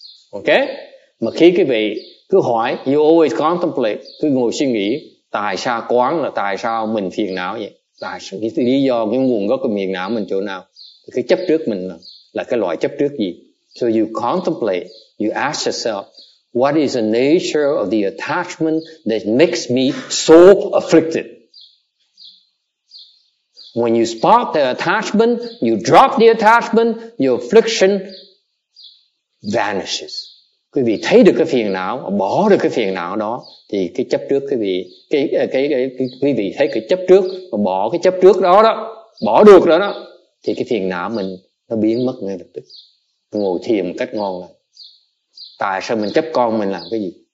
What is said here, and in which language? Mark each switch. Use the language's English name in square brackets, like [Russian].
[Vietnamese] Ok? Mà khi quý vị cứ hỏi, [English] you always contemplate, [Vietnamese] cứ ngồi suy nghĩ, tại sao quán là tại sao mình phiền não vậy? Tại sao cái lý do, cái nguồn gốc của phiền não mình chỗ nào? Cái chấp trước mình là cái loại chấp trước gì? [English] So you contemplate, you ask yourself, what is the nature of the attachment that makes me so afflicted? When you spot the attachment, you drop the attachment, your affliction vanishes. [Vietnamese] Quý vị thấy được cái phiền não, bỏ được cái phiền não đó, thì cái chấp trước quý vị thấy cái chấp trước và bỏ cái chấp trước đó đó, bỏ được đó đó, thì cái phiền não mình nó biến mất ngay lập tức. Ngồi thiền một cách ngon lành. Tại sao mình chấp con mình làm cái gì?